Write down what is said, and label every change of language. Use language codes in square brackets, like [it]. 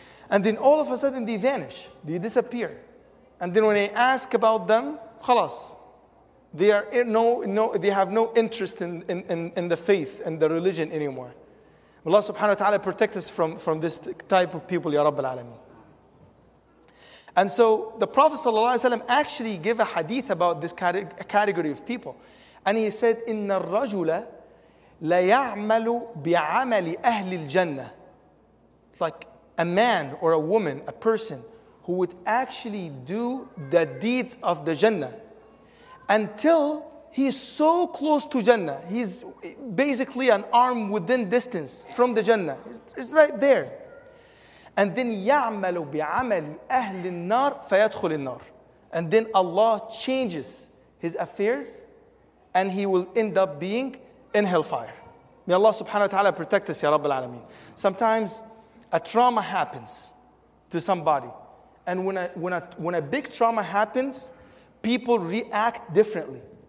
[en] And then all of a sudden they vanish, they disappear. And then when I ask about them, khalas, they are they have no interest in the faith and the religion anymore. Allah subhanahu wa ta'ala protect us from this type of people, ya Rabbil Alameen. And so the Prophet sallallahu alayhi wa sallam actually gave a hadith about this category of people. [ar] And he said, إن الرجل ليعمل بعمل أهل الجنة. [en] Like a man or a woman, a person who would actually do the deeds of the Jannah until he's so close to Jannah. He's basically an arm within distance from the Jannah. It's right there. And then [ar] يعمل بعمل أهل النار فيدخل النار. [en] And then Allah changes his affairs, and he will end up being in hellfire. May Allah subhanahu wa ta'ala protect us, ya Rabbil Alameen. Sometimes a trauma happens to somebody. And when a big trauma happens, people react differently.